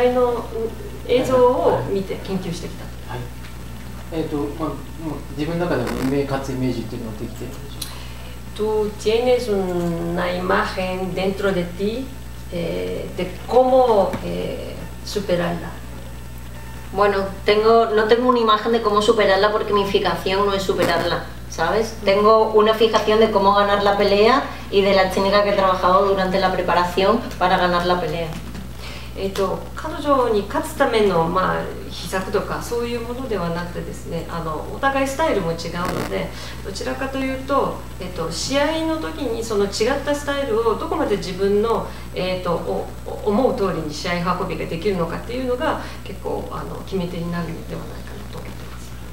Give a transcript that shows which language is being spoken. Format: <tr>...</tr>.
<ja>もちろん、全く、そういう、下調べというかはしないで来るわけにはいかないので、そこのところからちゃんとやってます。情報はレスリングのところだけは。要は、彼女自身がこうだ、ああだということという情報よりは、彼女の試合の映像を見て研究してきた。</ja> <es>Tú tienes una imagen dentro de ti de cómo superarla. Bueno, no tengo una imagen de cómo superarla porque mi fijación no es superarla, ¿sabes? Tengo una fijación de cómo ganar la pelea y de las técnicas que he trabajado durante la preparación para ganar la pelea.</es> <ja>彼女に勝つための、まあ、秘策とかそういうものではなくてですね、お互いスタイルも違うので、どちらかというと、試合の時にその違ったスタイルをどこまで自分の、思う通りに試合運びができるのかっていうのが結構決め手になるのではないかなと思っています。</ja>